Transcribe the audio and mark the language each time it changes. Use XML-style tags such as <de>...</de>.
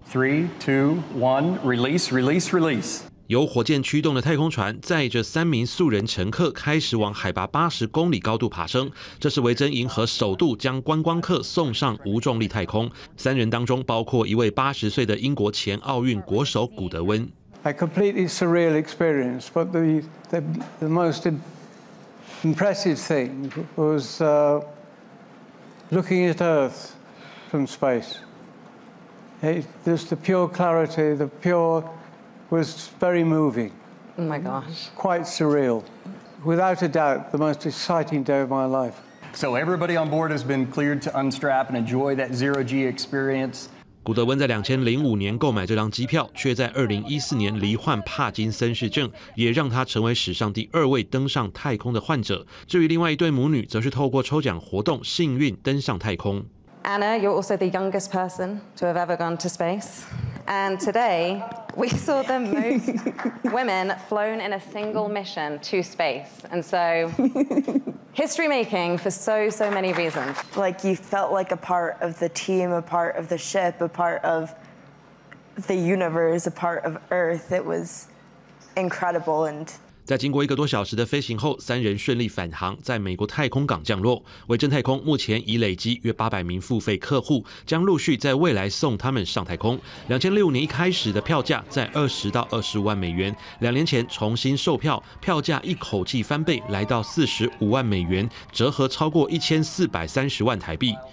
<en>3, 2, 1, release.</en> <zh>由火箭驱动的太空船载着3名素人乘客开始往海拔80公里高度爬升。这是维珍银河首度将观光客送上无重力太空。三人当中包括一位80岁的英国前奥运国手古德温。</zh> <en>A completely surreal experience, but the most impressive thing was looking at Earth from space. Just the pure clarity, the pure was very moving. Oh my gosh. Quite surreal. Without a doubt, the most exciting day of my life. So everybody on board has been cleared to unstrap and enjoy that zero G experience.</en> <zh>古德温在2005年购买这张机票，却在2014年罹患帕金森氏症，也让他成为史上第二位登上太空的患者。至于另外一对母女，则是透过抽奖活动幸运登上太空。</zh> <en>Anna, you're also the youngest person to have ever gone to space, and today we saw the most women flown in a single mission to space, and so history making for so many reasons. Like you felt like a part of the team, a part of the ship, a part of the universe, a part of Earth. It was incredible and.</en> <zh>在经过一个多小时的飞行后，三人顺利返航，在美国太空港降落。维珍太空目前已累积约800名付费客户，将陆续在未来送他们上太空。 2006年一开始的票价在20到25万美元，2年前重新售票，票价一口气翻倍，来到45万美元，折合超过1430万台币。</zh>